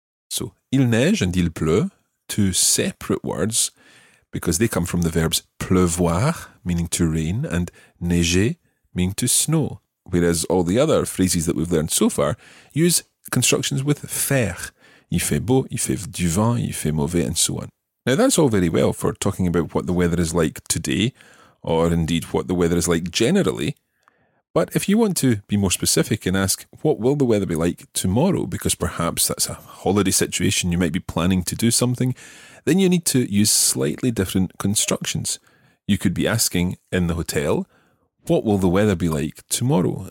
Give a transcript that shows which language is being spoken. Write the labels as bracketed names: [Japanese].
[French] So, il neige and il pleut. [English] Two separate words, because they come from the verbs pleuvoir, meaning to rain, and neiger, meaning to snow. Whereas all the other phrases that we've learned so far use constructions with faire. [French] Il fait beau, il fait du vent, il fait mauvais, [English] and so on. Now that's all very well for talking about what the weather is like today, or indeed what the weather is like generally. But if you want to be more specific and ask, what will the weather be like tomorrow? Because perhaps that's a holiday situation, you might be planning to do something. Then you need to use slightly different constructions. You could be asking in the hotel, what will the weather be like tomorrow?